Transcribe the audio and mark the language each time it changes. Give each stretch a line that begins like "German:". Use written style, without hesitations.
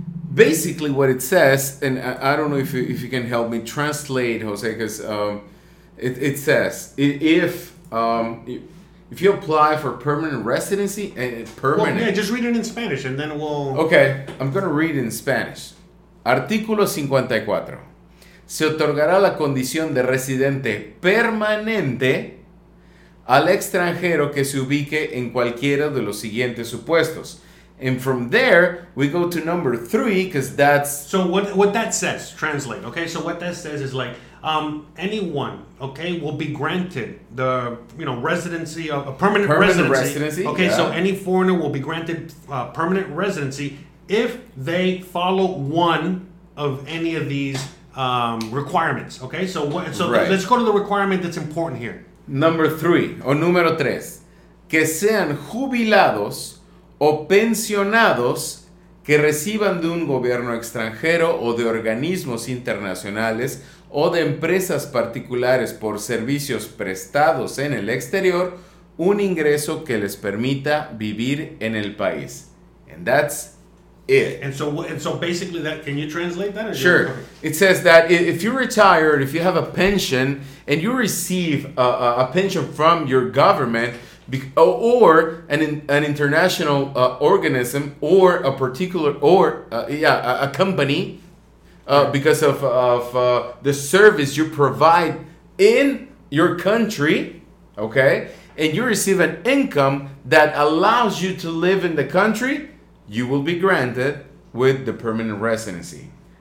English: basically, what it says, and I don't know if you can help me translate, Jose, because it says if you apply for permanent residency and permanent. Well, yeah, just read it in Spanish, and then we'll. Okay, I'm gonna read it in Spanish.
Spanish: Artículo 54. Se otorgará la condición de residente permanente al extranjero que se ubique en cualquiera de los siguientes supuestos.
English: And from there, we go to number three, because that's... So what that says, translate, okay? So what that says is like, anyone, okay, will be granted the, you know, residency, a permanent residency. Okay, yeah. So any foreigner will be granted permanent residency if they follow one of any of these requirements, okay? So let's go to the requirement that's important here. Number three,
Spanish: o número tres, que sean jubilados... o pensionados que reciban de un gobierno extranjero o de organismos internacionales o de empresas particulares por servicios prestados en el exterior un ingreso que les permita vivir en el país.
English: And that's it. And so basically that, can you translate that? Sure. It says that if you retire, if you have a pension and you receive a pension from your government, or an international organism, or a particular, or a company, because of the service you provide in your country, okay, and you receive an income that allows you to live in the country, you will be granted with the permanent residency.